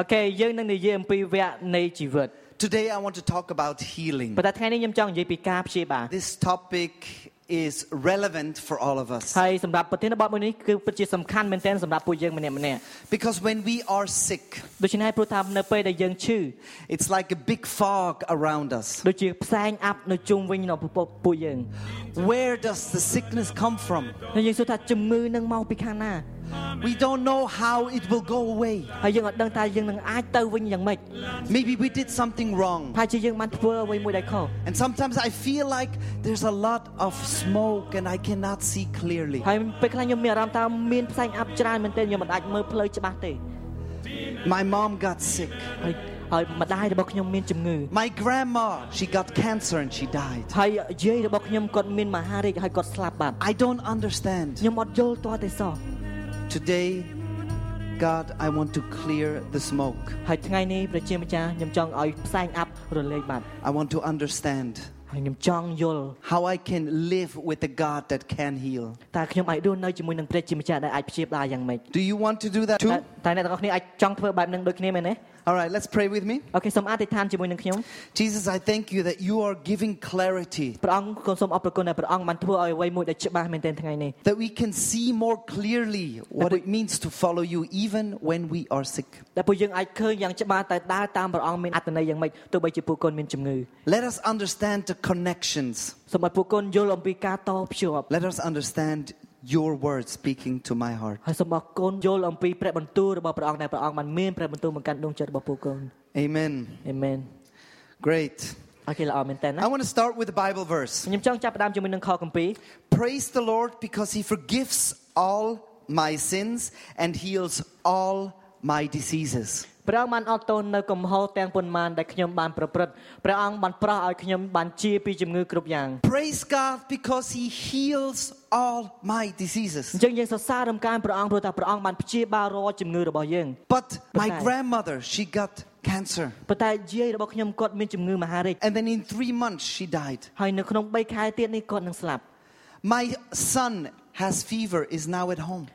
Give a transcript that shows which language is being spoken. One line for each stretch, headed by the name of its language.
Khmer: Okay, យើងនឹងនិយាយអំពីវគ្គនៃជីវិត.
English: Today I want to talk about healing.
Khmer: ប៉ុន្តែថ្ងៃនេះខ្ញុំចង់និយាយពីការព្យាបាល.
English: This topic is relevant for all of us.
Khmer: ហើយសម្រាប់ប្រធានបទមួយនេះគឺពិតជាសំខាន់មែនទែនសម្រាប់ពួកយើងម្នាក់ម្នាក់.
English: Because when we are sick,
Khmer: ដូចជាព្រោះថានៅពេលដែលយើងឈឺ,
English: it's like a big fog around us.
Khmer: ដូចជាផ្សែងអាប់នៅជុំវិញនៅពួកយើង.
English: Where does the sickness come from?
Khmer: ហើយយើងសួរថាជំងឺនឹងមកពីខាងណា?
English: We don't know how it will go away.
Khmer: ហើយយើងអត់ដឹងថាយើងនឹងអាចទៅវិញយ៉ាងម៉េច?
English: Maybe we did something wrong.
Khmer: ហើយជាយើងបានធ្វើអ្វីមួយដែលខុស.
English: And sometimes I feel like there's a lot of smoke and I cannot see clearly.
Khmer: ហើយពេលខ្លះខ្ញុំមានអារម្មណ៍ថាមានផ្សែងអាប់ច្រើនមែនទែនខ្ញុំមិនអាចមើលផ្លូវច្បាស់ទេ.
English: My mom got sick.
Khmer: ហើយម្ដាយរបស់ខ្ញុំមានជំងឺ.
English: My grandma, she got cancer and she died.
Khmer: ហើយយាយរបស់ខ្ញុំគាត់មានមហារីកហើយគាត់ស្លាប់បាត់.
English: I don't understand.
Khmer: ខ្ញុំអត់យល់តើតែសោះ.
English: Today, God, I want to clear the smoke.
Khmer: ហើយថ្ងៃនេះព្រះជាម្ចាស់ខ្ញុំចង់ឲ្យផ្សែងអាប់រលាយបាត់.
English: I want to understand.
Khmer: ហើយខ្ញុំចង់យល់
English: how I can live with a God that can heal.
Khmer: តើខ្ញុំអាចរស់នៅជាមួយនឹងព្រះជាម្ចាស់ដែលអាចព្យាបាលយ៉ាងម៉េច?
English: Do you want to do that too?
Khmer: តើអ្នកទាំងអស់គ្នាអាចចង់ធ្វើបែបនឹងដូចគ្នាមែនទេ?
English: All right, let's pray with me.
Khmer: Okay, សូមអធិដ្ឋានជាមួយនឹងខ្ញុំ.
English: Jesus, I thank you that you are giving clarity.
Khmer: ព្រះអង្គសូមអរគុណដែលព្រះអង្គបានធ្វើឲ្យអ្វីមួយដែលច្បាស់មែនទែនថ្ងៃនេះ.
English: That we can see more clearly what it means to follow you even when we are sick.
Khmer: ដែលពួកយើងអាចឃើញយ៉ាងច្បាស់តើដើរតាមព្រះអង្គមានអត្ថន័យយ៉ាងម៉េចទោះបីជាពួកគាត់មានជំងឺ.
English: Let us understand the connections.
Khmer: សូមឲ្យពួកគាត់យល់អំពីការតភ្ជាប់.
English: Let us understand your word speaking to my heart.
Khmer: ហើយសូមអរគុណយល់អំពីព្រះបន្ទូលរបស់ព្រះអង្គដែលព្រះអង្គបានមានព្រះបន្ទូលមកកាន់ដួងចិត្តរបស់ពួកកូន.
English: Amen. Amen. Great.
Khmer: Okay, ល្អមែនទែន.
English: I want to start with the Bible verse.
Khmer: ខ្ញុំចង់ចាប់ផ្ដើមជាមួយនឹងខគម្ពីរ.
English: Praise the Lord because he forgives all my sins and heals all my diseases.
Khmer: ព្រះបានអត់ទោសនៅកំហុសទាំងប៉ុន្មានដែលខ្ញុំបានប្រព្រឹត្ត. ព្រះអង្គបានប្រោះឲ្យខ្ញុំបានជាពីជំងឺគ្រប់យ៉ាង.
English: Praise God because he heals all my diseases.
Khmer: ជាងយើងសរសើររំកានព្រះអង្គព្រោះថាព្រះអង្គបានព្យាបាលរាល់ជំងឺរបស់យើង.
English: But my grandmother, she got cancer.
Khmer: ប៉ុន្តែយាយរបស់ខ្ញុំគាត់មានជំងឺមហារីក.
English: And then in 3 months she died.
Khmer: ហើយនៅក្នុង3ខែទៀតនេះគាត់នឹងស្លាប់.
English: My son has fever is now at home.